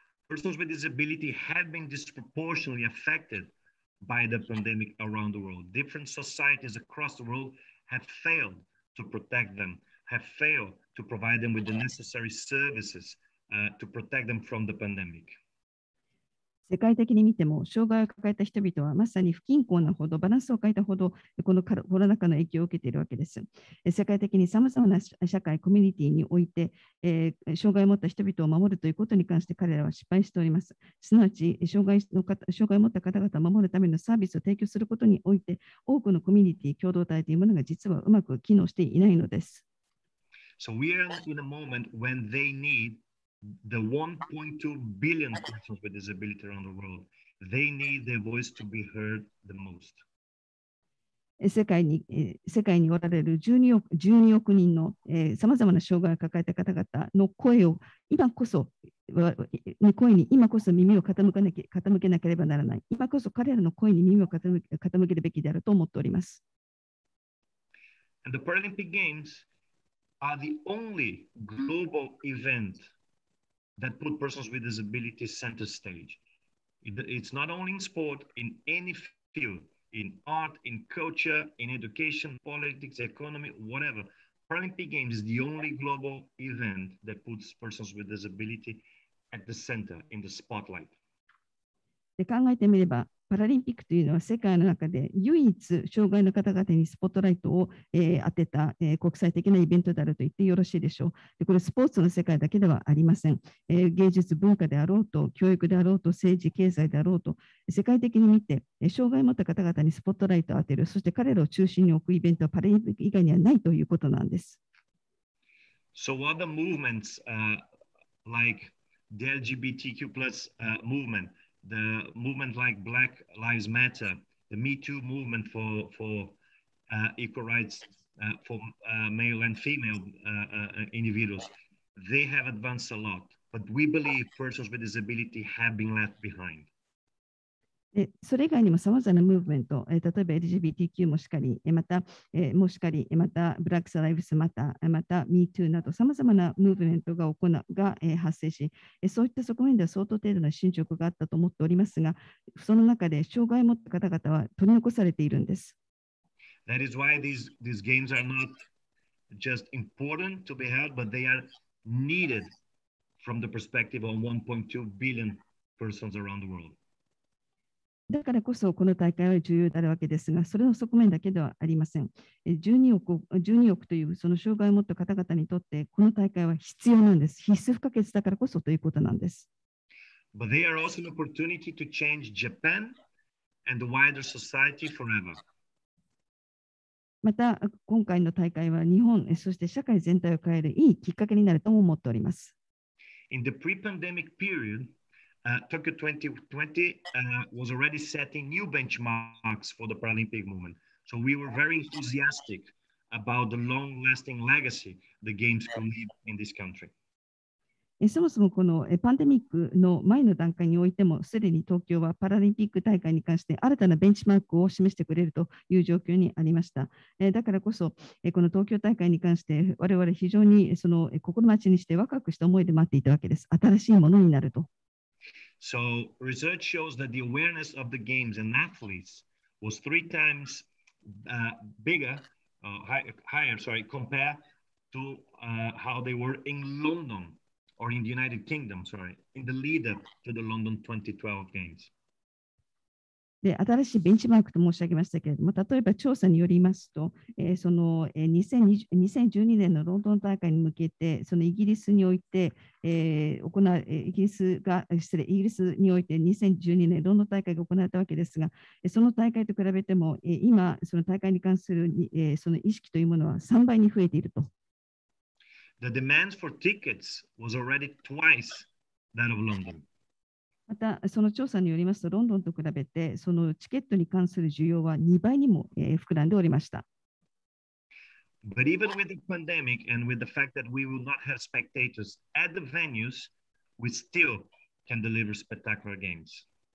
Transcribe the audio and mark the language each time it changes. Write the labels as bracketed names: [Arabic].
[English] Persons with disability have been disproportionately affected by the pandemic around the world. Different societies across the world have failed to protect them, have failed to provide them with the necessary services, to protect them from the pandemic. [Japanese] 世界的に見ても、障害を抱えた人々はまさに不均衡なほど、バランスを欠いたほど、このコロナ禍の影響を受けているわけです。世界的に様々な社会、コミュニティにおいて、障害を持った人々を守るということに関して彼らは失敗しております。すなわち障害を持った方々を守るためのサービスを提供することにおいて、多くのコミュニティ、共同体というものが実はうまく機能していないのです。 [English] So we are in a moment when they needThe 1.2 billion persons with disability around the world, they need their voice to be heard the most. [Japanese] 世界におられる12億人の、様々な障害を抱えた方々の声を今こそ、声に今こそ耳を傾けなければならない。今こそ彼らの声に耳を傾けるべきであると思っております。 [English] And the Paralympic Games are the only global eventthat put persons with disabilities center stage. It's not only in sport, in any field, in art, in culture, in education, politics, economy, whatever. Paralympic Games is the only global event that puts persons with disability at the center, in the spotlight. [Japanese] で考えてみれば、パラリンピックというのは世界の中で唯一障害の方々にスポットライトを、当てた、国際的なイベントであると言ってよろしいでしょう。でこれはスポーツの世界だけではありません、芸術文化であろうと教育であろうと政治経済であろうと世界的に見て、障害を持った方々にスポットライトを当てる、そして彼らを中心に置くイベントはパラリンピック以外にはないということなんです。 [English] So other movements、like the LGBTQ plus、movementThe movement like Black Lives Matter, the Me Too movement for equal rights for male and female individuals, they have advanced a lot. But we believe persons with disability have been left behind. [Japanese] でそれ以外にもさまざまなムーブメント、例えば LGBTQ もしかり、またブラック・ライブス・マター、また Me Too などさまざまなムーブメントが発生し、そういった側面では相当程度の進捗があったと思っておりますが、その中で障害を持った方々は取り残されているんです。 [English] That is why these games are not just important to be held, but they are needed from the perspective of 1.2 billion persons around the world. [Japanese] だからこそこの大会は重要であるわけですが、それの側面だけではありません。 12億というその障害を持った方々にとって、この大会は必要なんです。必須不可欠だからこそということなんです。 [English] But they are also an opportunity to change Japan and the wider society forever. [Japanese] また、今回の大会は日本、そして社会全体を変えるいいきっかけになるとも思っております。 [English] In the pre-pandemic period,Tokyo 2020、was already setting new benchmarks for the Paralympic movement. So we were very enthusiastic about the long-lasting legacy the Games can leave in this country. [Japanese] そもそもこのパンデミックの前の段階においても、すでに東京はパラリンピック大会に関して新たなベンチマークを示してくれるという状況にありました。だからこそ、この東京大会に関して我々非常にその心待ちにしてワクワクした思いで待っていたわけです。新しいものになると。 [English] So research shows that the awareness of the games and athletes was three times higher, compared to how they were in London or in the United Kingdom, in the lead up to the London 2012 games. [Japanese] で新しいベンチマークと申し上げましたけれども、例えば調査によりますと、その2012年のロンドン大会に向けて、そのイギリスにおいて、イギリスにおいて2012年ロンドン大会が行われたわけですが、その大会と比べても、今、その大会に関する、その意識というものは3倍に増えていると。 [English] The demand for tickets was already twice that of London. [Japanese] またその調査によりますと、ロンドンと比べてそのチケットに関する需要は2倍にも膨らんでおりました。 [English] But even with the pandemic and with the fact that we will not have spectators at the venues, we still can deliver spectacular games.